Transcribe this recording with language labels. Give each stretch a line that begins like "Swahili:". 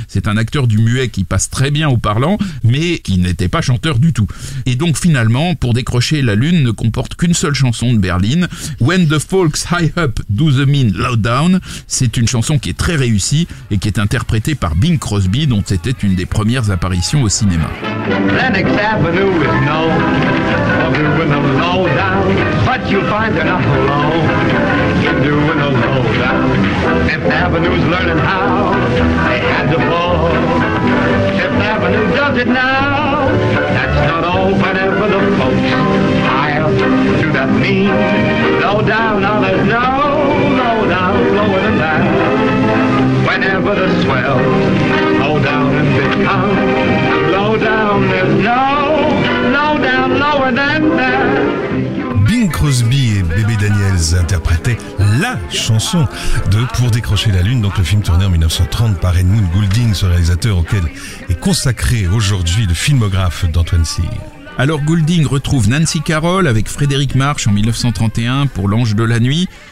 French: C'est un acteur du muet qui passe très bien au parlant, mais qui n'était pas chanteur du tout. Et donc, finalement, pour décrocher la lune ne comporte qu'une seule chanson de Berlin, When the Folks High Up Do the Mean Low Down. C'est une chanson qui est très réussie et qui est interprétée par Bing Crosby, dont c'était une des premières apparitions au cinéma.
English: Lenox Avenue is known for doing a low down, but you'll find you're not alone doing a low down. Fifth Avenue's learning how they had to fall. Fifth Avenue does it now. That's not all, whenever the folks do that mean low down, now there's no low down lower than that. Whenever the swells low down and become low down, there's no low down lower than that.
French: Bing Crosby et Bébé Daniels interprétaient la chanson de Pour décrocher la lune, donc le film tourné en 1930 par Edmund Goulding, ce réalisateur auquel est consacré aujourd'hui le filmographe d'Antoine Cyr. Alors Goulding retrouve Nancy Carroll avec Frédéric March en 1931 pour L'Ange de la Nuit.